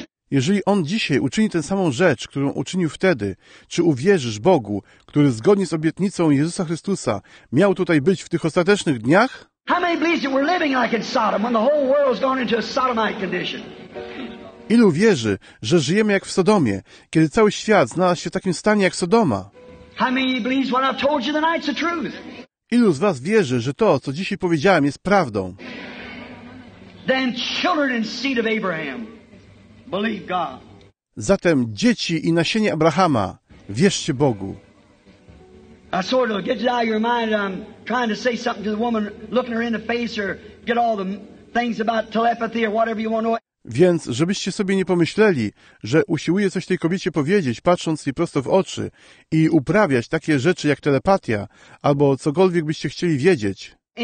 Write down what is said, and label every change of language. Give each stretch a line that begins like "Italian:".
Polish: Jeżeli On dzisiaj uczyni tę samą rzecz, którą uczynił wtedy, czy uwierzysz Bogu, który zgodnie z obietnicą Jezusa Chrystusa miał tutaj być w tych ostatecznych dniach?
English: How many believe that we're living like in Sodom when the whole world's gone into a sodomite condition?
Polish: Ilu wierzy, że żyjemy jak w Sodomie, kiedy cały świat znalazł się w takim stanie jak Sodoma?
English: How many believe what I've told you tonight's the truth?
Polish: Ilu z was wierzy, że to, co dzisiaj powiedziałem, jest prawdą?
English: Then children and seed of Abraham, believe God.
Polish: Zatem dzieci i nasienie Abrahama, wierzcie Bogu.
English: I sort of get it out of your mind. I'm trying to say something to the woman, looking her in the face, or get all the things about telepathy or whatever you want to.
Polish: Więc, żebyście sobie nie pomyśleli, że usiłuję coś tej kobiecie powiedzieć, patrząc jej prosto w oczy i uprawiać takie rzeczy jak telepatia, albo cokolwiek byście chcieli wiedzieć.